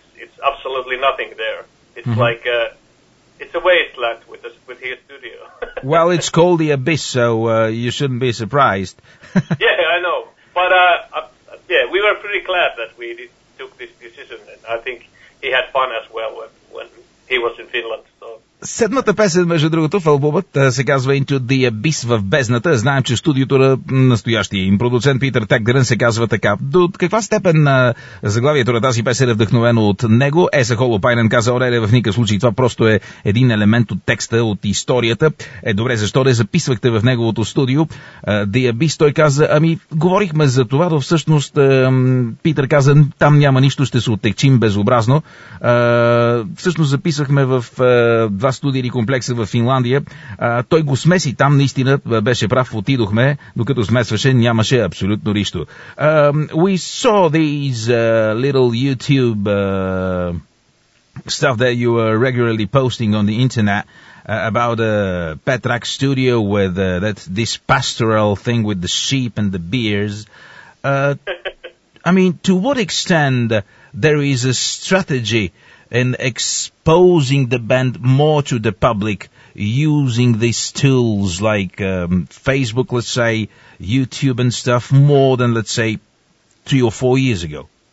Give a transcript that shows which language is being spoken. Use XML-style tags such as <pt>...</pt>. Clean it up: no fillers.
<en>It's absolutely nothing there. It's like it's a wasteland with his studio. Well, it's called the Abyss, so you shouldn't be surprised. Yeah, I know. But we were pretty glad that we took this decision, and I think he had fun as well when he was in Finland. So.</en> <bg>Седмата песен, между другото, в албумът се казва Into the Abyss, в бездната. Знаем, че студиото на настоящия им продуцент Питър Тегдерен се казва така. До каква степен заглавието на тази песен е вдъхновено от него? Еса Холопайнен каза: Ореле, в никакъв случай, това просто е един елемент от текста, от историята. Е, добре, защо не записвахте в неговото студио The Abyss? Той каза: ами, говорихме за това, но всъщност Питър каза: там няма нищо, ще се отекчим безобразно. Всъщност записвахме в два студийни комплекса в Финландия. Той го смеси там, наистина беше прав, отидохме, докато смесваше, нямаше абсолютно нищо.</bg> <en>We saw these little YouTube stuff that you were regularly posting on the internet about a Petrak studio with this pastoral thing with the sheep and the beers. I mean, to what extent there is a strategy in exposing the band more to the public using these tools like Facebook, let's say, YouTube and stuff, more than, let's say, 3 or 4 years ago?</en>